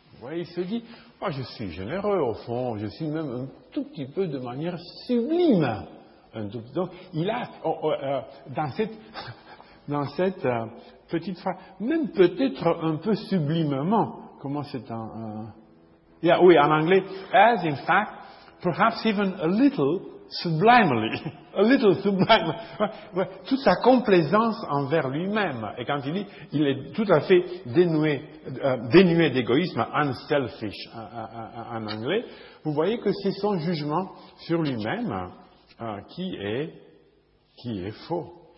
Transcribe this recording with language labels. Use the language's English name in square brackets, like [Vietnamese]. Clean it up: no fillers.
[French] Ouais, il se dit, oh, je suis généreux au fond, je suis même un tout petit peu de manière sublime. Donc, il a, dans cette petite phrase, même peut-être un peu sublimement, comment c'est en... oui, en anglais, [English] as in fact, perhaps even a little sublimely, a little sublime. [French] Toute sa complaisance envers lui-même. Et quand il dit, il est tout à fait dénué d'égoïsme, unselfish en anglais, vous voyez que c'est son jugement sur lui-même qui est faux.